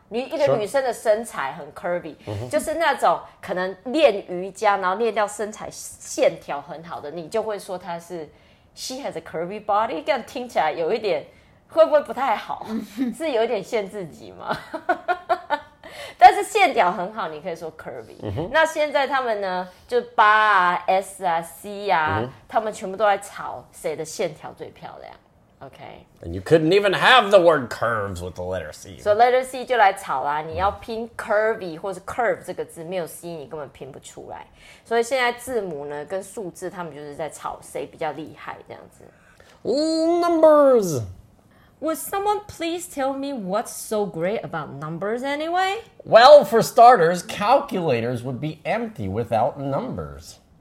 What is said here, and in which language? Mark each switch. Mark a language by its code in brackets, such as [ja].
[zh] 你一个女生的身材很 curvy，、sure. 就是那种可能练瑜伽，然后练到身材线条很好的，你就会说她是 [en] she has a curvy body， [zh] 这样听起来有一点会不会不太好？是有点限自己吗？但是线条很好，你可以说 curvy。那现在他们呢，就八啊、S 啊、C 啊，他们全部都在吵谁的线条最漂亮。 [en] Okay. And you couldn't even have the word curves with the letter C. So letter C [zh] 就来吵啦，你要拼 curvy 或是 curve 这个字，没有 C 你根本拼不出来。所以现在字母呢跟数字他们就是在吵谁比较厉害这样子。 [en] Numbers! Would someone please tell me what's so great about numbers anyway? Well, for starters, calculators would be empty without numbers.